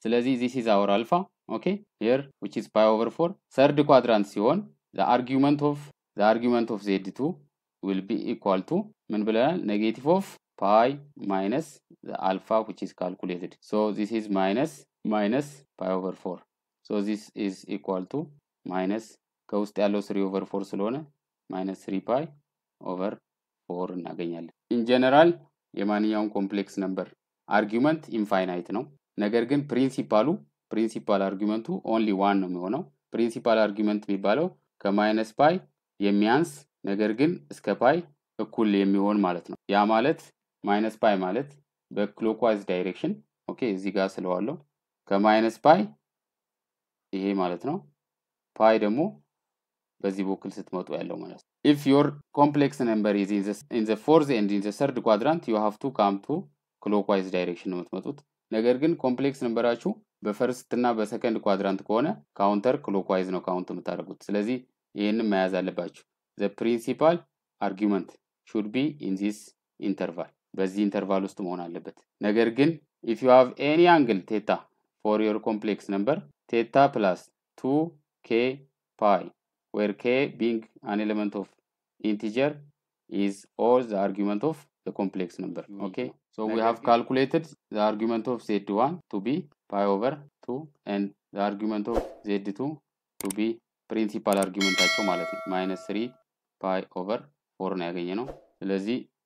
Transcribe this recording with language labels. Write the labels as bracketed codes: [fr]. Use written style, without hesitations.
[en] ስለዚህ this is our alpha. ኦኬ here which is pi over 4 third quadrant ሲሆን the argument of z2 will be equal to [am] ምን ብለናል? [en] negative of pi minus the alpha which is calculated. so this is minus pi over 4. so this is equal to minus [am] ከውስጥ ያለው [en] 3 over 4 [am] ስለሆነ [en] minus 3 pi over 4 [am] እናገኛለን. [en] in general [am] የማንኛውም [en] complex number argument infinite ነው. [am] ነገር ግን principal argumentu only one ነው የሚሆነው. principal argument የሚባለው ከማይነስ ፓይ የሚያንስ ነገር ግን እስከ ፓይ እኩል የሚሆን ማለት ነው. ያ ማለት ማይነስ ፓይ ማለት በክሎክዋይዝ ዳይሬክሽን ኦኬ እዚህ ጋር ስለዋለው ከማይነስ ፓይ ይሄ ማለት ነው. ፓይ ደግሞ በዚህ በኩል ስትመጡ ያለው ማለት ነው. [en] if your complex number is in the fourth and in the third quadrant you have to come to clockwise direction ነው የምትመጡት. [am] ነገር ግን ኮምፕሌክስ ነምበራችሁ በፈርስት እና በሰከንድ ኳድራንት ከሆነ ካውንተር ክሎክዋይዝ ነው ካውንት የምታደርጉት. ስለዚህ ይህንን መያዝ አለባችሁ. [en] the principal argument should be in this interval. [am] በዚህ ኢንተርቫል ውስጥ መሆን አለበት ነገር ግን [en] if you have any angle theta for your complex number theta plus 2k pi where k being an element of integer is all the argument of the complex number okay so we have calculated the argument of z1 to be pi over 2 and the argument of z2 to be principal argument [am] acho malatu minus 3 pi over 4 na yagenye no selezi